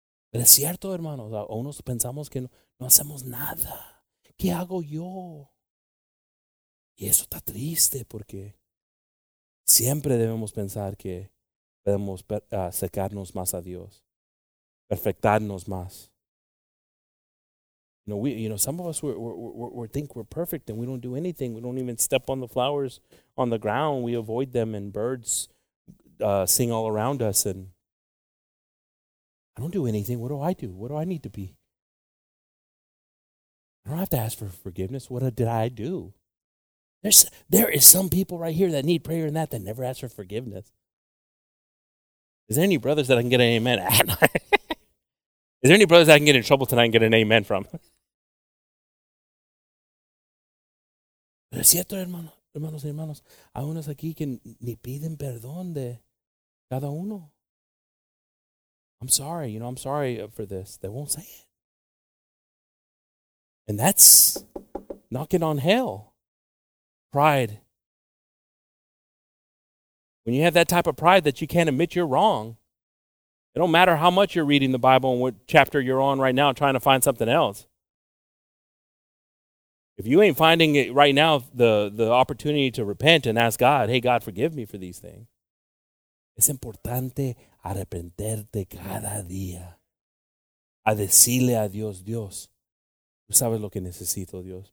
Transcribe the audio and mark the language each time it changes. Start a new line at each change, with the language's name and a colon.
Spanish: Pero es cierto, hermanos. A unos pensamos que no hacemos nada. ¿Qué hago yo? Y eso está triste porque siempre debemos pensar que podemos acercarnos más a Dios, perfectarnos más.
English: Some of us we think we're perfect and we don't do anything. We don't even step on the flowers on the ground. We avoid them and birds sing all around us. And I don't do anything. What do I do? What do I need to be? I don't have to ask for forgiveness. What did I do? There is some people right here that need prayer and that never ask for forgiveness. Is there any brothers that I can get an amen at? Is there any brothers that I can get in trouble tonight and get an amen from?
Spanish: Pero es cierto, hermano, hermanos y hermanos, hay unos aquí que ni piden perdón de cada uno.
English: I'm sorry, you know, I'm sorry for this. They won't say it. And that's knocking on hell. Pride. When you have that type of pride that you can't admit you're wrong, it don't matter how much you're reading the Bible and what chapter you're on right now trying to find something else. If you ain't finding it right now, the opportunity to repent and ask God, hey, God, forgive me for these things.
Spanish: Es importante arrepentirte cada día. A decirle a Dios, Dios, tú sabes lo que necesito, Dios.